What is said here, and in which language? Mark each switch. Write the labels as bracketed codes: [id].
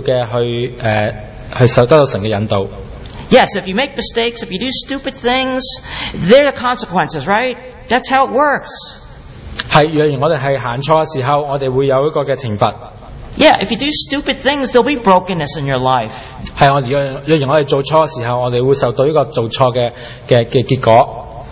[zh] 所以我們生命當中,無論我們怎樣走每一步路,我們需要去守得到神的引導。 [en] Yes, if you make mistakes, if you do stupid things, there are consequences, right? That's how it works. [zh] 若然我們是走錯的時候,我們會有一個懲罰。 [en] Yeah, if you do stupid things, there'll be brokenness in your life. [zh] 若然我們做錯的時候,我們會受到一個做錯的結果。